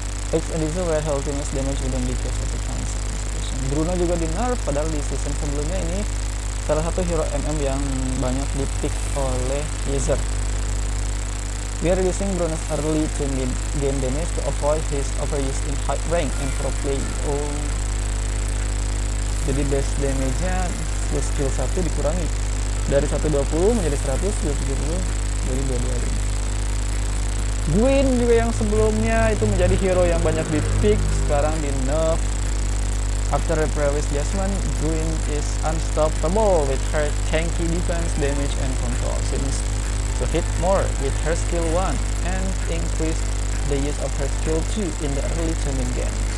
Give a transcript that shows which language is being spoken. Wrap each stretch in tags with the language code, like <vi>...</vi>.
<en>It's a reason where her ultimate damage wouldn't be cast at a chance.</en> <id>Bruno juga di nerf, padahal di season sebelumnya ini salah satu hero MM yang banyak di-pick oleh user.</id> <en>We are reducing Bruno's early to mid game damage to avoid his overuse in high rank and pro play.</en> <id>Oh, jadi base damage-nya plus skill 1 dikurangi dari 120 menjadi 100, 270 jadi 220. Gwyn juga yang sebelumnya itu menjadi hero yang banyak di pick, sekarang di nerf.</id> <en>After the previous adjustment, Gwyn is unstoppable with her tanky defense, damage and control, since to hit more with her skill 1 and increase the use of her skill 2 in the early to mid game.</en>